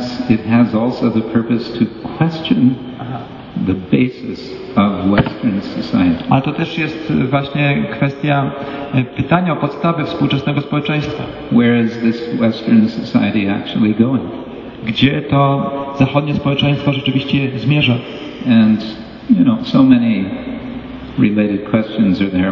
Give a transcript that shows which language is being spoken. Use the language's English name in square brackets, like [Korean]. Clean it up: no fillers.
[English] It has also the purpose to question the basis of Western society. [Polish] Ale to też jest właśnie kwestia pytania o podstawy współczesnego społeczeństwa. [English] Where is this Western society actually going? [Polish] Gdzie to zachodnie społeczeństwo rzeczywiście zmierza? [English] And you know, so many related questions are there.